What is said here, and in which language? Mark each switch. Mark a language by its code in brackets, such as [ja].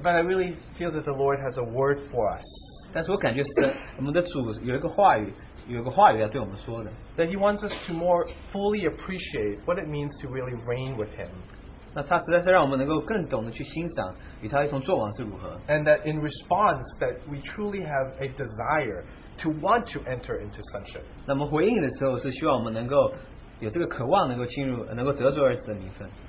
[en] But I really feel that the Lord has a word for us. [zh] 但是我感觉神，我们的主有一个话语。 [en] That he wants us to more fully appreciate what it means to really reign with him. And that in response that we truly have a desire to want to enter into sonship.